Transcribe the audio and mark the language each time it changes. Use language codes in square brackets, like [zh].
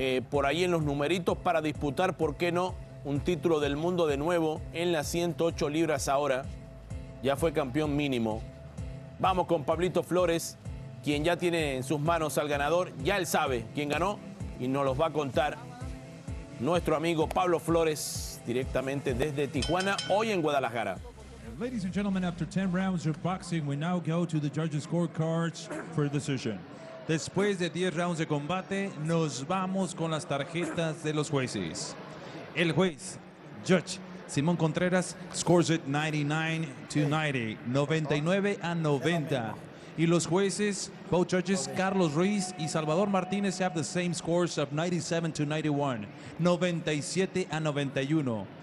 [es] Por ahí en los numeritos para disputar, ¿por qué no?, un título del mundo de nuevo en las 108 libras ahora. Ya fue campeón mínimo. Vamos con Pablito Flores, quien ya tiene en sus manos al ganador. Ya él sabe quién ganó y nos los va a contar nuestro amigo Pablo Flores, directamente desde Tijuana, hoy en Guadalajara. [en] Ladies and gentlemen, after 10 rounds of boxing, we now go to the judges' scorecards for decision. [es] Después de 10 rounds de combate, nos vamos con las tarjetas de los jueces. El juez, [en] Judge Simón Contreras, scores it 99-90, 99-90. [es] Y los jueces, [en] both judges, Carlos Ruiz y Salvador Martínez, have the same scores of 97-91, 97-91.